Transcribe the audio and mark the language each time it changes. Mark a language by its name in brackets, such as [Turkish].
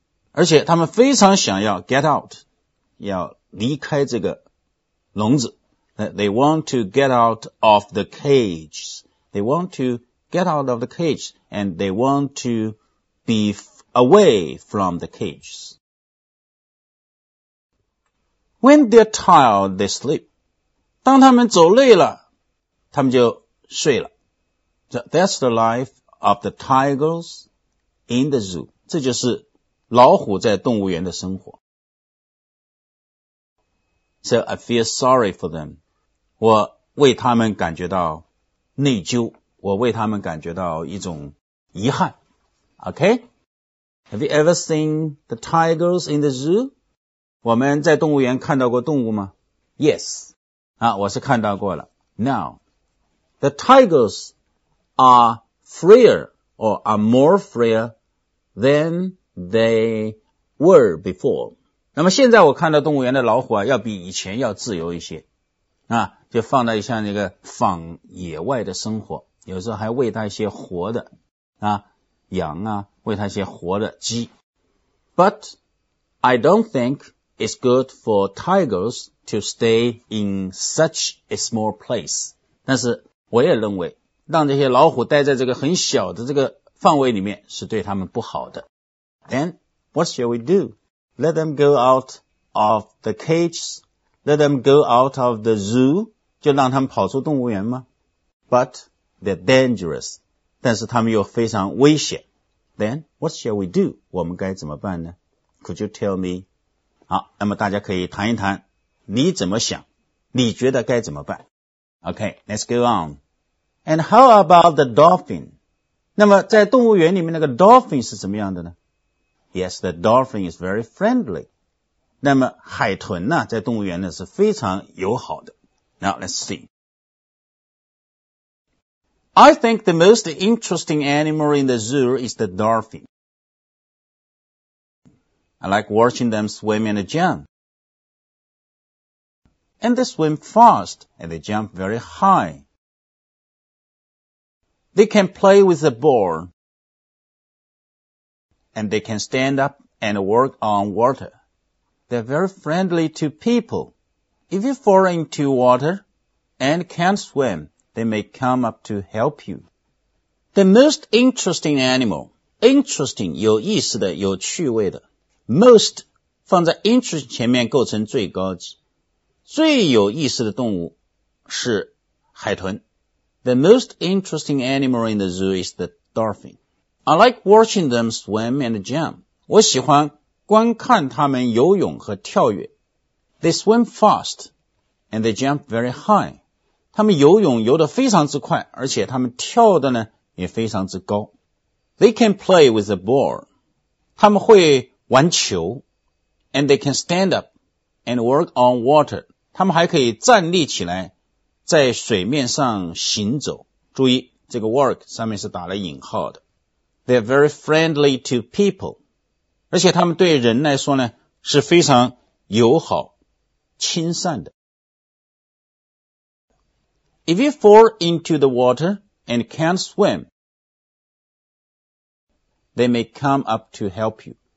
[Chinese] 而且他们非常想要 [English] get out, [Chinese] 要离开这个笼子。 [English] They want to get out of the cage. They want to get out of the cage, and they want to be away from the cages. When they're tired, they sleep. [Chinese] 当他们走累了他们就睡了。 [English] So that's the life of the tigers. In the zoo, [Chinese] 这就是老虎在动物园的生活。 [English] So I feel sorry for them. [Chinese] 我为他们感觉到内疚，我为他们感觉到一种遗憾。 [English] Okay? Have you ever seen the tigers in the zoo? [Chinese] 我们在动物园看到过动物吗 [English] ?Yes. [Chinese] 啊，我是看到过了。 [English] Now, the tigers are freer. Or are more freer than they were before. [Chinese] 那么现在我看到动物园的老虎啊要比以前要自由一些。啊就放到一下那个仿野外的生活。有时候还喂它一些活的啊羊啊喂它一些活的鸡。 [English] But I don't think it's good for tigers to stay in such a small place. [Chinese] 但是我也认为让这些老虎待在这个很小的这个范围里面是对他们不好的。 [English] Then, what shall we do? Let them go out of the cages? Let them go out of the zoo? [Chinese] 就让他们跑出动物园吗 [English] ?But, they're dangerous. [Chinese] 但是他们又非常危险。 [English] Then, what shall we do? [Chinese] 我们该怎么办呢 [English] ?Could you tell me? [Chinese] 好那么大家可以谈一谈你怎么想你觉得该怎么办 [English] ?Okay, let's go on. And how about the dolphin? [Chinese] 那么在动物园里面那个 dolphin 是怎么样的呢 [English] ?Yes, the dolphin is very friendly. [Chinese] 那么海豚呢在动物园呢是非常友好的。 [English] Now, let's see. I think the most interesting animal in the zoo is the dolphin. I like watching them swim and jump. And they swim fast and they jump very high. They can play with the ball, and they can stand up and walk on water. They're very friendly to people. If you fall into water and can't swim, they may come up to help you. The most interesting animal, [Chinese] interesting, 有意思的,有趣味的,most 放在 interest 前面构成最高级。最有意思的动物是海豚。 [English] The most interesting animal in the zoo is the dolphin. I like watching them swim and jump. [Chinese] 我喜欢观看它们游泳和跳跃。 [English] They swim fast and they jump very high. [Chinese] 它们游泳游得非常之快，而且它们跳的呢也非常之高。 [English] They can play with the ball. [Chinese] 他们会玩球。 [English] And they can stand up and walk on water. [Chinese] 他们还可以站立起来在水面上行走。注意这个 walk 上面是打了引号的。 [English] They're very friendly to people. [Chinese] 而且他们对人来说呢是非常友好亲善的。 [English] If you fall into the water and can't swim,They may come up to help you.